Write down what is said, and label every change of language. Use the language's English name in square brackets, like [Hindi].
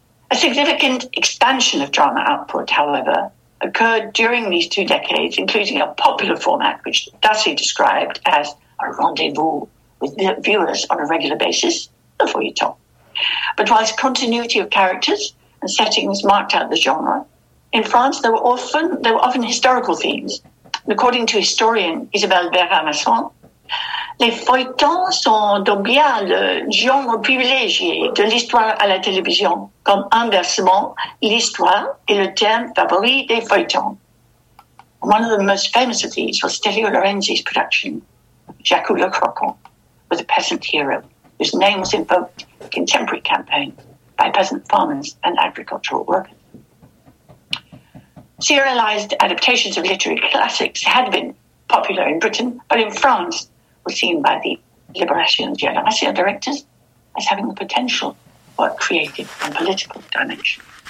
[English] A significant expansion of drama output, however, occurred during these two decades, including a popular format which Darcy described as a rendezvous with viewers on a regular basis, the feuilleton. But whilst continuity of characters and settings marked out the genre, in France there were often historical themes. According to historian Isabelle Vera-Masson, [French] les feuilletons sont donc bien le genre privilégié de l'histoire à la télévision, comme inversement, l'histoire est le thème favori des feuilletons. [English] One of the most famous of these was Stelio Lorenzi's production, Jacques Le Croquant, with a peasant hero, whose name was invoked in a contemporary campaign by peasant farmers and agricultural workers. Serialized adaptations of literary classics had been popular in Britain, but in France were seen by the Libération Génération directors as having the potential for a creative and political dimension.